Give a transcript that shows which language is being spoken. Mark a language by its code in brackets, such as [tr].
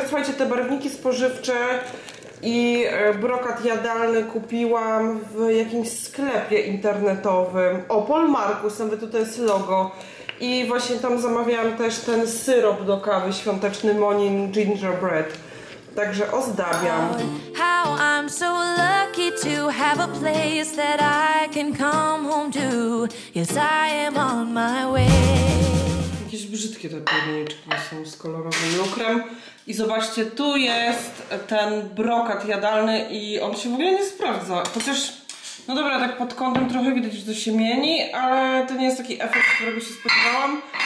[pl] Słuchajcie, te barwniki spożywcze i brokat jadalny kupiłam w jakimś sklepie internetowym. Opol Markus, nawet tutaj jest logo. I właśnie tam zamawiałam też ten syrop do kawy świąteczny Monin Gingerbread. Także ozdabiam. [en] How I'm so lucky to have a place that I can come home to. Yes, I am on my way. [pl] Jakieś brzydkie te pierniczki są z kolorowym lukrem. I zobaczcie, tu jest ten brokat jadalny i on się w ogóle nie sprawdza. Chociaż, no dobra, tak pod kątem trochę widać, że to się mieni, ale to nie jest taki efekt, którego się spodziewałam.